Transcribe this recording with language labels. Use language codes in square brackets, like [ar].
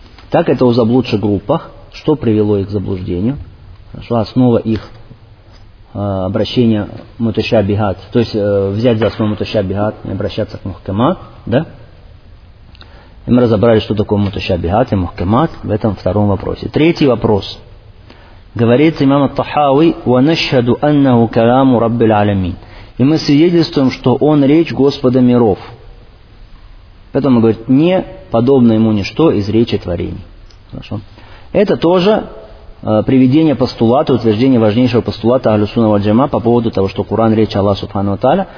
[ru] Так это у заблудших группах, что привело их к заблуждению, что основа их обращения мутащабихат, то есть взять за основу мутащабихат и обращаться к мухкамат, да? И мы разобрали, что такое мутащабихат и мухкамат в этом втором вопросе. Третий вопрос. Говорит имам ат-Тахави, [ar] وَنَشْهَدُ أَنَّهُ كَلَامُ رَبِّ الْعَلَمِينَ. [ru] И мы свидетельствуем, что он речь Господа миров. Поэтому говорит, не подобно ему ничто из речи творений. Хорошо. Это тоже приведение постулата, утверждение важнейшего постулата Ахлюсунна Вальджама по поводу того, что Куран речь Аллаха Субхану Тааля.